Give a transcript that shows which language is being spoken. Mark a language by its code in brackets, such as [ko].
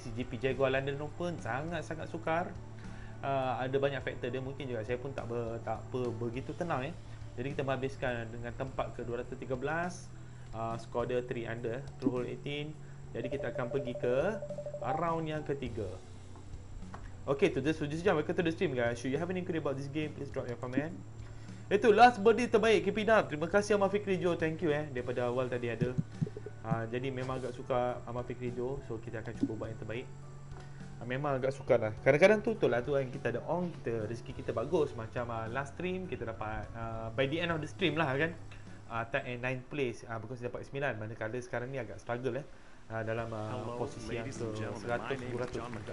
[ms] CGP Jaguar London Open sangat-sangat sukar. Ada banyak faktor dia, mungkin juga saya pun tak begitu tenang eh. Jadi kita menghabiskan dengan tempat ke 213. Skor dia 3 under, through hole 18. Jadi kita akan pergi ke round yang ketiga. [en] Okay, to the suggestion, welcome to the stream guys. Should you have any inquiry about this game, please drop your comment. [ms] Itu last birdie terbaik KP Dub. Terima kasih Amal Fikri Joe. [en] Thank you [ms] eh, daripada awal tadi ada. Jadi memang agak suka Amal Fikri Joe. So kita akan cuba buat yang terbaik. Memang agak suka lah. Kadang-kadang tu lah tu kan, kita ada on, kita rezeki kita bagus. Macam last stream kita dapat [en] by the end of the stream [ms] lah kan, tag and 9th place. Bukan saya dapat 9. Manakala sekarang ni agak struggle eh, dalam posisi yang ke 100-200.